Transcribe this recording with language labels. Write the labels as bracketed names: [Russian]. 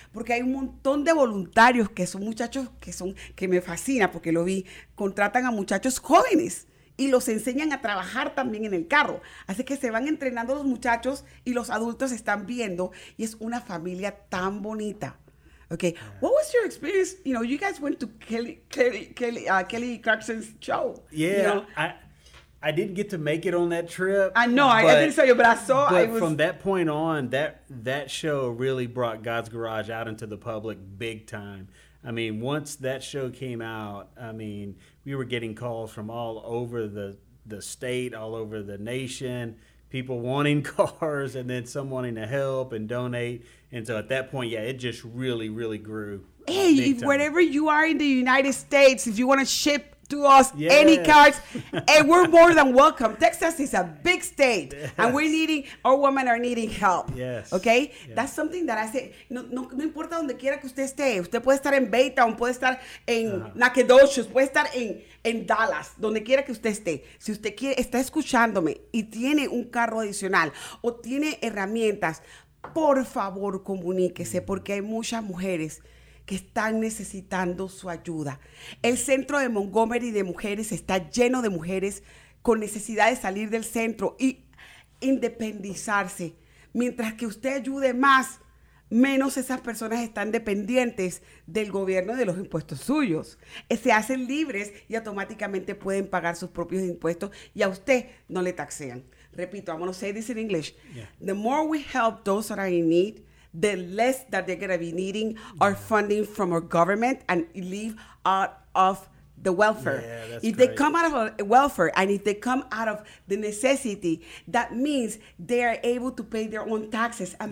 [Spanish] Porque hay un montón de voluntarios que son muchachos que me fascina porque lo vi. Contratan a muchachos jóvenes y los enseñan a trabajar también en el carro. Así que se van entrenando los muchachos y los adultos están viendo y es una familia tan bonita. [English] Okay. Yeah. What was your experience? You know, you guys went to Kelly Clarkson's show. Yeah. You know? I didn't get to make it on that trip. I know, I didn't tell you, but I saw. But I was, from that point on, that show really brought God's Garage out into the public big time. I mean, once that show came out, I mean, we were getting calls from all over the state, all over the nation. people wanting cars and then some wanting to help and donate. And so at that point, yeah, it just really, really grew. Hey, wherever you are in the United States, if you want to ship to us any cars, and we're more than welcome. Texas is a big state, and we're needing, our women are needing help. Yes. Okay? Yes. That's something that I say, [Spanish] no importa donde quiera que usted esté, usted puede estar en Baytown, puede estar en Nacogdoches, puede estar en Dallas, donde quiera que usted esté. Si usted quiere, está escuchándome y tiene un carro adicional o tiene herramientas, por favor, comuníquese, porque hay muchas mujeres que están necesitando su ayuda. El centro de Montgomery de mujeres está lleno de mujeres con necesidad de salir del centro y independizarse. Mientras que usted ayude más, menos esas personas están dependientes del gobierno y de los impuestos suyos. Se hacen libres y automáticamente pueden pagar sus propios impuestos y a usted no le taxean. Repito, [English] I'm going to say this in English. Yeah. The more we help those that are in need, the less that they're going to be needing our funding from our government and leave out of the welfare. Yeah, that's if great. They come out of welfare and if they come out of the necessity, that means they are able to pay their own taxes and